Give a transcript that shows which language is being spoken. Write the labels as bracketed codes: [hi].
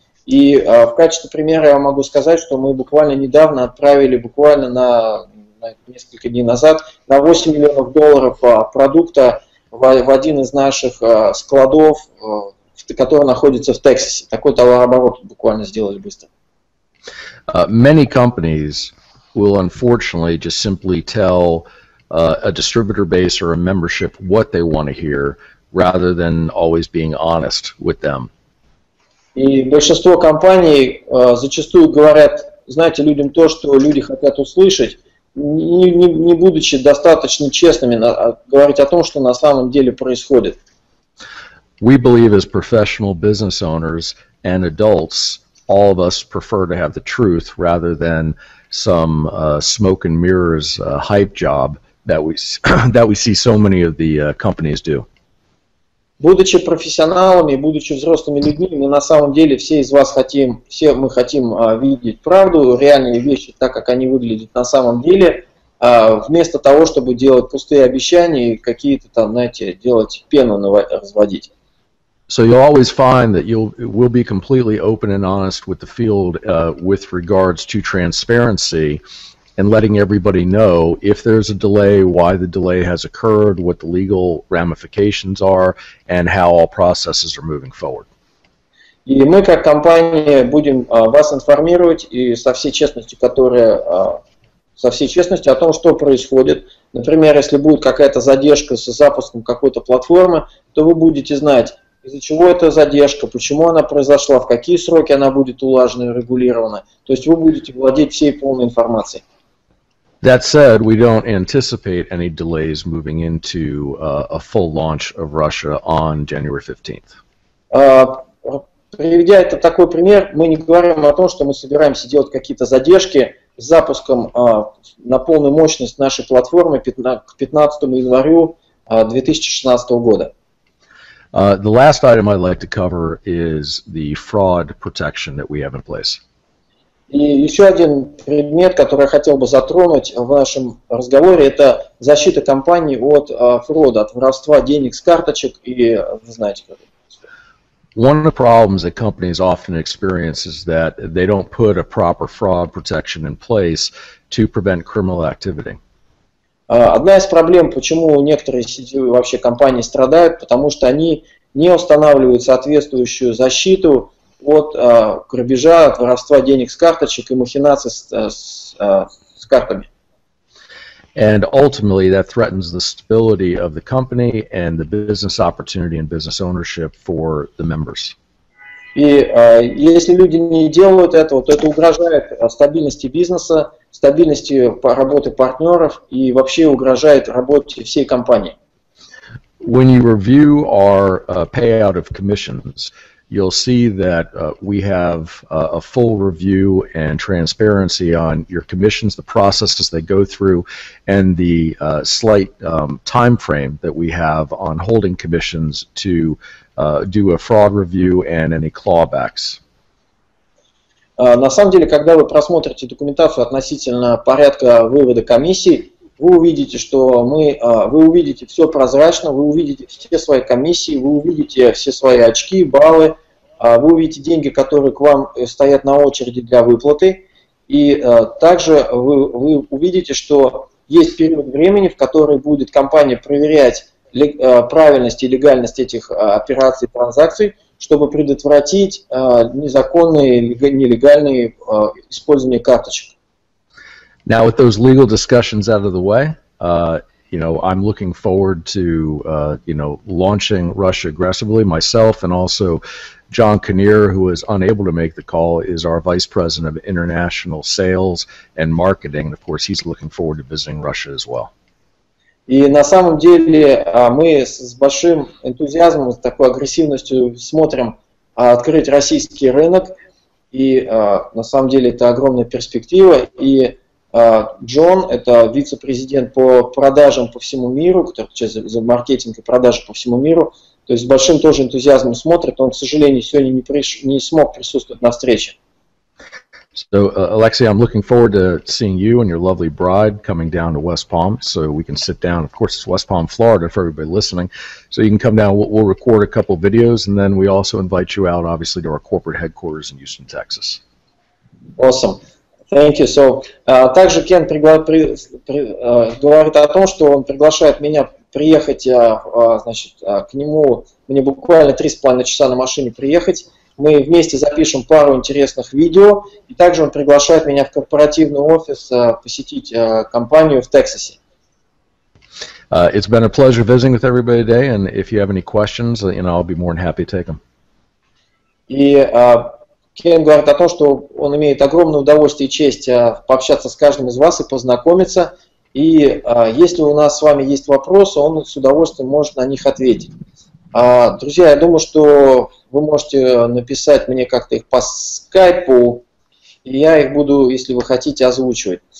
[ru] И в качестве примера я могу сказать, что мы буквально недавно отправили, буквально на несколько дней назад, на 8 миллионов долларов продукта в один из наших складов, который находится в Тексасе. Такой товарооборот буквально сделали быстро. [en] Many companies will unfortunately just simply tell a distributor base or a membership what they want to hear, rather than always being honest with them. [ru] И большинство компаний зачастую говорят, знаете, людям то, что люди хотят услышать, не будучи достаточно честными, говорить о том, что на самом деле происходит. [en] We believe as professional business owners and adults, all of us prefer to have the truth rather than some smoke and mirrors hype job that we see so many of the companies do. [ru] Будучи профессионалами, будучи взрослыми людьми, мы на самом деле все из вас хотим, все мы хотим видеть правду, реальные вещи, так как они выглядят на самом деле, вместо того, чтобы делать пустые обещания и какие-то там, знаете, делать пену разводить. [en] So you'll always find that you will be completely open and honest with the field with regards to transparency and letting everybody know if there's a delay, why the delay has occurred, what the legal ramifications are, and how all processes are moving forward. [ru] И мы как компания будем вас информировать и со всей честностью, которая со всей честностью о том, что происходит. Например, если будет какая-то задержка с запуском какой-то платформы, то вы будете знать, из-за чего эта задержка, почему она произошла, в какие сроки она будет улажена и регулирована. То есть вы будете владеть всей полной информацией. [en] That said, we don't anticipate any delays moving into a full launch of Russia on January 15th. [ru] Приведя это такой пример, мы не говорим о том, что мы собираемся делать какие-то задержки с запуском на полную мощность нашей платформы к 15 января 2016 года. [en] The last item I'd like to cover is the fraud protection that we have in place. [ru] И еще один предмет, который я хотел бы затронуть в нашем разговоре, это защита компании от фрода, от воровства денег с карточек и, вы знаете, как это. [en] One of the problems that companies often experience is that they don't put a proper fraud protection in place to prevent criminal activity. [ru] Одна из проблем, почему некоторые вообще компании страдают, потому что они не устанавливают соответствующую защиту от грабежа, от воровства денег с карточек и махинаций с картами. [en] And ultimately that threatens the stability of the company and the business opportunity and business ownership for the members. [ru] И если люди не делают этого, то это угрожает стабильности бизнеса, стабильности работы партнеров и вообще угрожает работе всей компании. [en] When you review our payout of commissions, you'll see that we have a full review and transparency on your commissions, the processes they go through, and the slight time frame that we have on holding commissions to do a fraud review and any clawbacks. [ru] На самом деле, когда вы просмотрите документацию относительно порядка вывода комиссий, вы увидите, что мы, вы увидите все прозрачно, вы увидите все свои комиссии, вы увидите все свои очки, баллы, вы увидите деньги, которые к вам стоят на очереди для выплаты, и также вы увидите, что есть период времени, в который будет компания проверять правильность и легальность этих операций, транзакций, чтобы предотвратить незаконные, нелегальные использование карточек. [en] Now with those legal discussions out of the way, I'm looking forward to launching Russia aggressively myself, and also John Kinnear, who is unable to make the call, is our vice president of international sales and marketing. Of course, he's looking forward to visiting Russia as well. [ru] И на самом деле мы с большим энтузиазмом, с такой агрессивностью смотрим открыть российский рынок, и на самом деле это огромная перспектива. И Джон, это вице-президент по продажам по всему миру, который за маркетинг и продажи по всему миру, то есть с большим тоже энтузиазмом смотрит, он, к сожалению, сегодня не смог присутствовать на встрече. [en] So, Alexei, I'm looking forward to seeing you and your lovely bride coming down to West Palm so we can sit down. Of course, it's West Palm, Florida, for everybody listening. So you can come down, we'll record a couple videos, and then we also invite you out, obviously, to our corporate headquarters in Houston, Texas. Awesome. Thank you. So, [ru] также Кен говорит о том, что он приглашает меня приехать, к нему, мне буквально 3,5 часа на машине приехать. Мы вместе запишем пару интересных видео, и также он приглашает меня в корпоративный офис посетить компанию в Тексасе. [en] It's been a pleasure visiting with everybody today, and if you have any questions, I'll be more than happy to take them. [ru] И Кен говорит о том, что он имеет огромное удовольствие и честь пообщаться с каждым из вас и познакомиться, и если у нас с вами есть вопросы, он с удовольствием может на них ответить. Друзья, я думаю, что вы можете написать мне как-то их по скайпу, и я их буду, если вы хотите, озвучивать.